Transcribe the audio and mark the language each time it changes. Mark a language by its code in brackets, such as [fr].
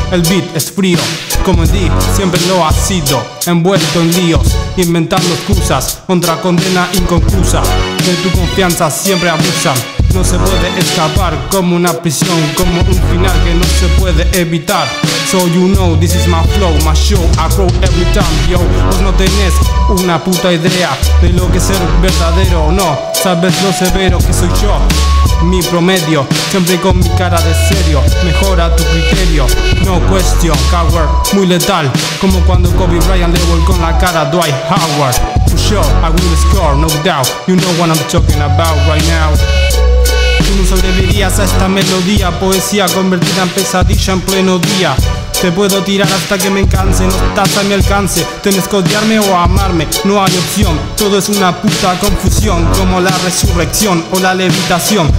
[es] El beat es frío, como en D, siempre lo ha sido. Envuelto en líos, inventando excusas, contra condena inconclusa. De tu confianza siempre abusan. No se puede escapar como una prisión, como un final que no se puede evitar. [en] So you know, this is my flow, my show, I grow every time, yo. [es] Vos no tenés una puta idea de lo que es ser verdadero o no. Sabes lo severo que soy yo, mi promedio, siempre con mi cara de serio. Mejora tu criterio, [en] no question, coward, [es] muy letal. Como cuando Kobe Bryant le volcó con la cara a Dwight Howard. [en] For sure, I will score, no doubt, you know what I'm talking about right now. [es] No sobrevivirías a esta melodía, poesía convertida en pesadilla en pleno día. Te puedo tirar hasta que me canse, no estás a mi alcance. Tienes que odiarme o amarme, no hay opción. Todo es una puta confusión, como la resurrección o la levitación.